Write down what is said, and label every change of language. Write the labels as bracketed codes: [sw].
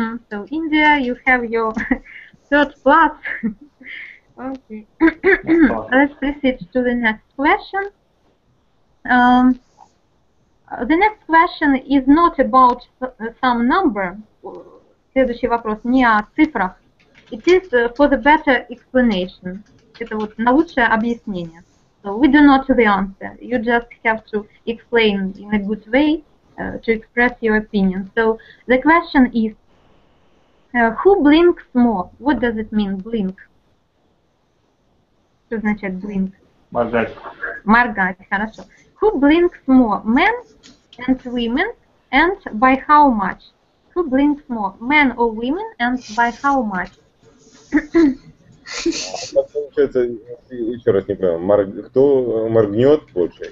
[en] So India, you have your third plus. Okay. Let's proceed to the next question. The next question is not about some number. [ru] Следующий вопрос не о цифрах. [en] It is for the better explanation. [ru] Это вот на лучшее объяснение. [en] So we do not know the answer. You just have to explain in a good way to express your opinion. So the question is, who blinks more? What does it mean, blink? [ru] Что значит blink? Моргать. Моргать, хорошо. [en] Who blinks more, men and women, and by how much? Who blinks more, men or women, and by how much? [ru] Получается, еще раз не понял, кто моргнет больше?